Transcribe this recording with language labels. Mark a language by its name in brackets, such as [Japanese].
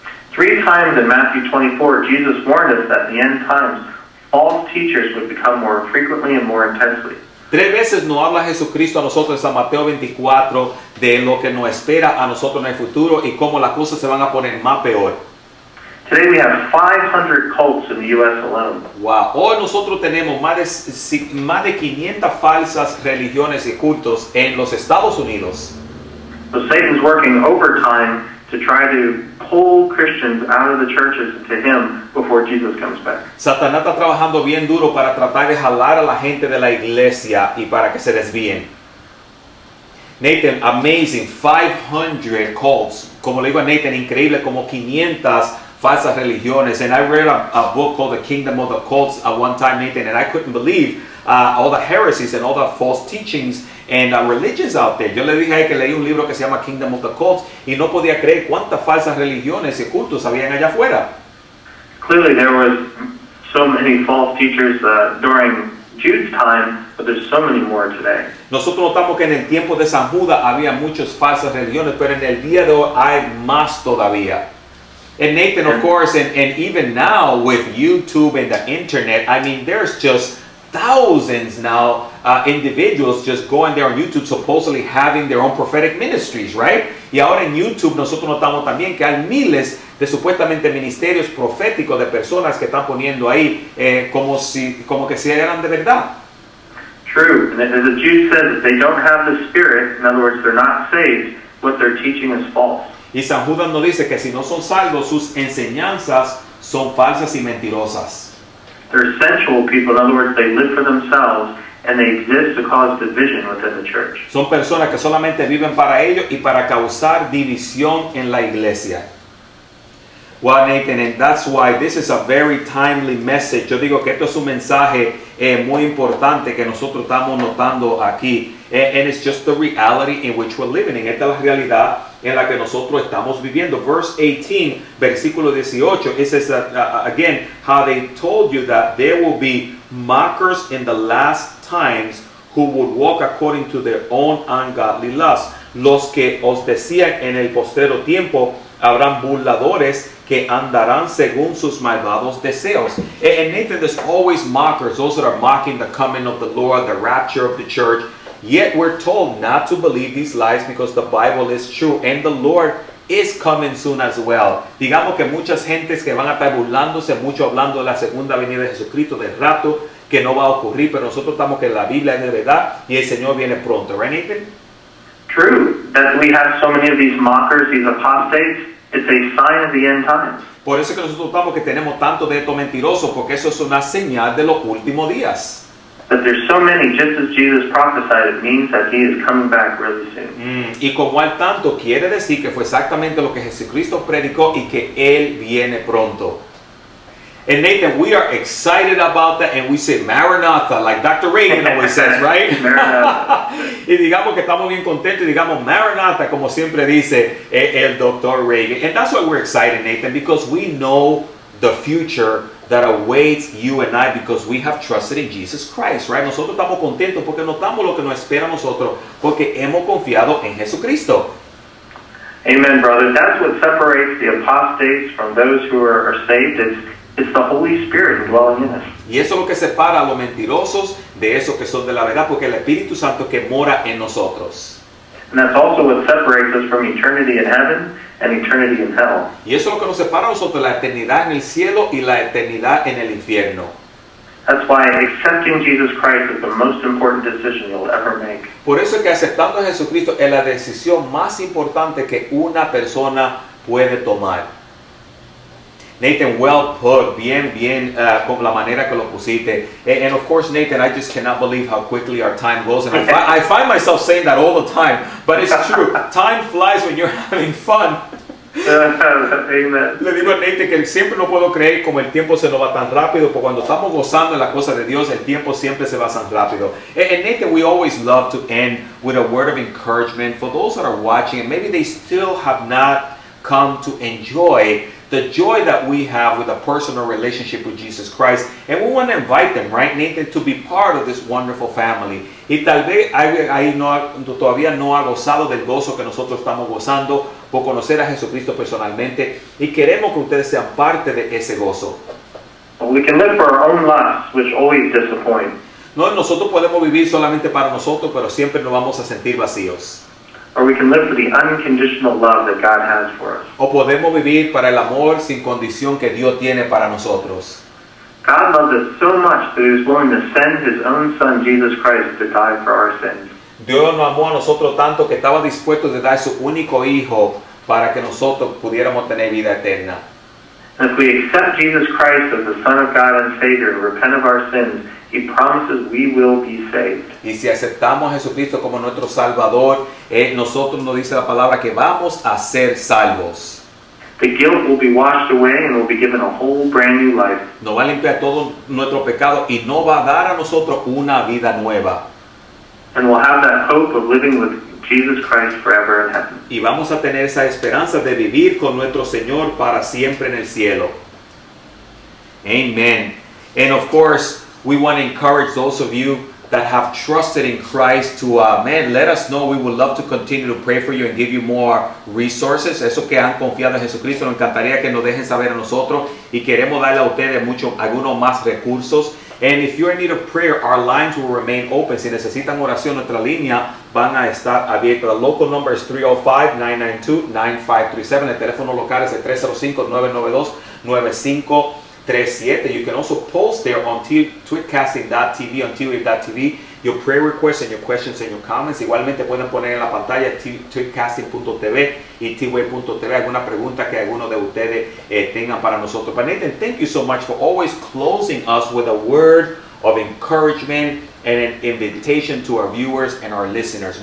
[English] Three times in Matthew 24, Jesus warned us that in the end times, false teachers would become more frequently and more intensely. [Spanish] Tres veces nos habla Jesucristo a nosotros en San Mateo 24 de lo que nos espera a nosotros en el futuro y cómo las cosas se van a poner más peor. [English] Today we have 500 cults in the U.S. alone. Wow. [Spanish] Hoy nosotros tenemos más de 500 falsas religiones y cultos en los Estados Unidos. [English] So Satan's working overtime to try to pull Christians out of the churches to him before Jesus comes back. [Spanish] Satanás está trabajando bien duro para tratar de jalar a la gente de la iglesia y para que se desvíen. [English] Nathan, amazing. 500 cults. [Spanish] Como le digo a Nathan, increíble como 500 falsas religiones. [English] And I read a book called The Kingdom of the Cults at one time, Nathan, and I couldn't believe all the heresies and all the false teachings and religions out there. [Spanish] Yo le dije que leí un libro que se llama Kingdom of the Cults y no podía creer cuántas falsas religiones y cultos habían allá afuera. [English] Clearly there was so many false teachers during Jude's time, but there's so many more today. [Spanish] Nosotros notamos que en el tiempo de San Judas había muchas falsas religiones, pero en el día de hoy hay más todavía. [English] And Nathan, of course, and even now with YouTube and the internet, I mean, there's just thousands now individuals just going there on YouTube supposedly having their own prophetic ministries, right? [Spanish] Y ahora en YouTube nosotros notamos también que hay miles de supuestamente ministerios proféticos de personas que están poniendo ahí como que si eran de verdad. [English] True. And as the Jews said, if they don't have the Spirit, in other words, they're not saved, what they're teaching is false. [Spanish] Y San Judas nos dice que si no son salvos, sus enseñanzas son falsas y mentirosas. [English] They're sensual people. In other words, they live for themselves and they exist to cause division within the church. [Spanish] Son personas que solamente viven para ellos y para causar división en la iglesia. [English] Well, Nathan, and that's why this is a very timely message. [Spanish] Yo digo que esto es un mensaje muy importante que nosotros estamos notando aquí. [English] And it's just the reality in which we're living. [Spanish] Esta es la realidad en la que nosotros estamos viviendo. [English] Verse 18, versículo 18, it says that, again, how they told you that there will be mockers in the last times who would walk according to their own ungodly lust. [Spanish] Los que os decían en el postrero tiempo, habrán burladores que andarán según sus malvados deseos. [English] And Nathan, there's always mockers, those that are mocking the coming of the Lord, the rapture of the church. Yet we're told not to believe these lies because the Bible is true and the Lord is coming soon as well. [Spanish] Digamos que muchas gentes que van a estar burlándose, mucho hablando de la segunda venida de Jesucristo, del rato, que no va a ocurrir, pero nosotros estamos que la Biblia es de verdad y el Señor viene pronto. [English] Right, Nathan? True. That we have so many of these mockers, these apostates, it's a sign of the end times. [Spanish] Por eso que nosotros estamos que tenemos tanto de estos mentirosos, porque eso es una señal de los últimos días. [English] That there's so many, just as Jesus prophesied, it means that he is coming back really soon. [Spanish] Y como hay tanto, quiere decir que fue exactamente lo que Jesucristo predicó y que él viene pronto. [English] And Nathan, we are excited about that, and we say Maranatha, like Dr. Reagan always says, right? Maranatha. [Spanish] Y digamos que estamos bien contentos, digamos Maranatha, como siempre dice el Dr. Reagan. [English] And that's why we're excited, Nathan, because we know the future that awaits you and I because we have trusted in Jesus Christ, right? [Spanish] Nosotros estamos contentos porque notamos lo que nos espera a nosotros porque hemos confiado en Jesucristo. [English] Amen, brother. That's what separates the apostates from those who are saved. It's the Holy Spirit dwelling in us. [Spanish] Y eso es lo que separa a los mentirosos de esos que son de la verdad porque el Espíritu Santo que mora en nosotros. [English] And that's also what separates us from eternity in heaven and eternity in hell. [Spanish] Y eso es lo que nos separa a nosotros de la eternidad en el cielo y la eternidad en el infierno. [English] That's why accepting Jesus Christ is the most important decision you'll ever make. [Spanish] Por eso es que aceptando a Jesucristo es la decisión más importante que una persona puede tomar. [English] Nathan, well put, [Spanish] bien, con la manera que lo pusiste. [English] And of course, Nathan, I just cannot believe how quickly our time goes. And I find myself saying that all the time, but it's true. Time flies when you're having fun. [Spanish] Le digo a Nathan que siempre no puedo creer como el tiempo se nos va tan rápido, porque cuando estamos gozando en la cosa de Dios, el tiempo siempre se va tan rápido. [English] And Nathan, we always love to end with a word of encouragement for those that are watching, and maybe they still have not come to enjoy the joy that we have with a personal relationship with Jesus Christ. And we want to invite them, right, Nathan, to be part of this wonderful family. [Spanish] Y tal vez ahí no, todavía no ha gozado del gozo que nosotros estamos gozando por conocer a Jesucristo personalmente. Y queremos que ustedes sean parte de ese gozo. [English] We can live for our own lusts, which always disappoint. [Spanish] No, nosotros podemos vivir solamente para nosotros, pero siempre nos vamos a sentir vacíos. [English] Or we can live for the unconditional love that God has for us. [Spanish] O podemos vivir para el amor sin condición que Dios tiene para nosotros. [English] God loves us so much that He is willing to send His own Son, Jesus Christ, to die for our sins. [Spanish] Dios nos amó a nosotros tanto que estaba dispuesto de dar su único hijo para que nosotros pudiéramos tener vida eterna. [English] If we accept Jesus Christ as the Son of God and Savior and repent of our sins, He promises we will be saved. [Spanish] Y si aceptamos a Jesucristo como nuestro Salvador, nosotros nos dice la palabra que vamos a ser salvos. [English] The guilt will be washed away and we'll be given a whole brand new life. [Spanish] Nos va a limpiar todo nuestro pecado y nos va a dar a nosotros una vida nueva. [English] And we'll have that hope of living with Jesus Christ forever in heaven. [Spanish] Y vamos a tener esa esperanza de vivir con nuestro Señor para siempre en el cielo. [English] Amen. And of course, we want to encourage those of you that have trusted in Christ to, let us know. We would love to continue to pray for you and give you more resources. [Spanish] Eso que han confiado en Jesucristo, nos encantaría que nos dejen saber a nosotros y queremos darle a ustedes algunos más recursos. [English] And if you're in need of prayer, our lines will remain open. [Spanish] Si necesitan oración, nuestra línea van a estar abierta. [English] The local number is 305-992-9537. [Spanish] El teléfono local es el 305-992-9537. [English] You can also post there on twitcasting.tv, on twitch.tv, your prayer requests and your questions and your comments. [Spanish] Igualmente pueden poner en la pantalla twitcasting.tv y twitch.tv alguna pregunta que alguno de ustedes tengan para nosotros. [English] But Nathan, thank you so much for always closing us with a word of encouragement and an invitation to our viewers and our listeners.